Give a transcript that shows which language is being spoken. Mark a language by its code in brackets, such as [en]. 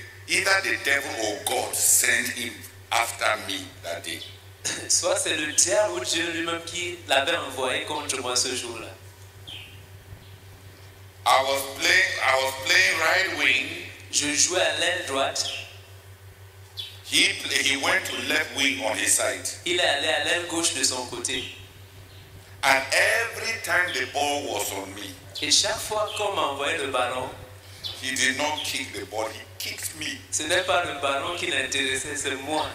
[en] Either the devil or God sent him after me that day. [fr] Soit c'est le diable ou Dieu lui-même qui l'avait envoyé contre moi ce jour-là. [en] I was playing right wing. [fr] Je jouais à l'aile droite. [en] He went to left wing on his side. [fr] Il est allé à l'aile gauche de son côté. [en] And every time the ball was on me. [fr] Et chaque fois qu'on m'envoyait le ballon, [en] he did not kick the ball. He kicked me. [fr] Ce n'est pas le ballon qui l'intéressait, c'est moi.